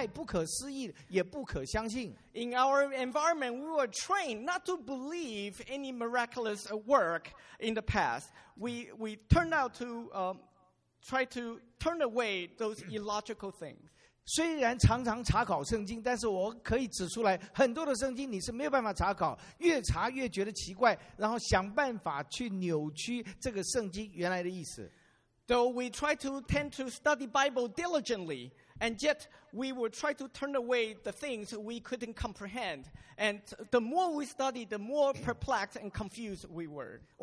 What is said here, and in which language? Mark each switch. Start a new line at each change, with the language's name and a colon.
Chinese: 在我们的环境中间是不允许上帝做他圣经里面说的,也不允许他在古时所做的,现今还能够出现,他觉得这件事情太不可思议,也不可相信。
English: In our environment, we were trained not to believe any miraculous work in the past. We turned out to try to turn away those illogical things.
Chinese: 虽然常常查考圣经,但是我可以指出来,很多的圣经你是没有办法查考,越查越觉得奇怪,然后想办法去扭曲这个圣经原来的意思。
English: Though we try to tend to study Bible diligently, and yet we will try to turn away the things we couldn't comprehend. And the more we study, the more perplexed and confused we were.